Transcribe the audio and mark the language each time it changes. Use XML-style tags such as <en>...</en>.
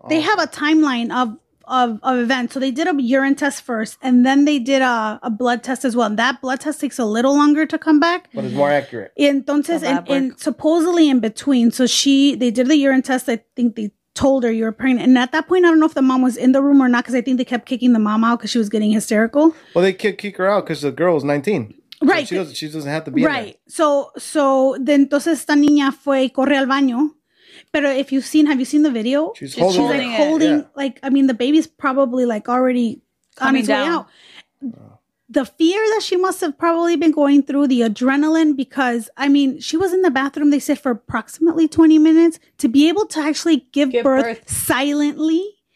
<en>They have a timeline of events. So they did a urine test first and then they did a blood test as well. And that blood test takes a little longer to come back. But it's more accurate. Entonces, and supposedly in between. So they did the urine test. I think they told her you were pregnant. And at that point, I don't know if the mom was in the room or not because I think they kept kicking the mom out because she was getting hysterical. Well, they kick her out because the girl was 19. Right. So she doesn't have to be right. So then</en> <es>entonces esta niña fue y corre al baño.</es> <en>But if you've seen, have you seen the video? She's holding it. Like, I mean, the baby's probably like already coming on its down. Way out. The fear that she must have probably been going through, the adrenaline, because, I mean, she was in the bathroom, they said, for approximately 20 minutes to be able to actually give birth silently.</en>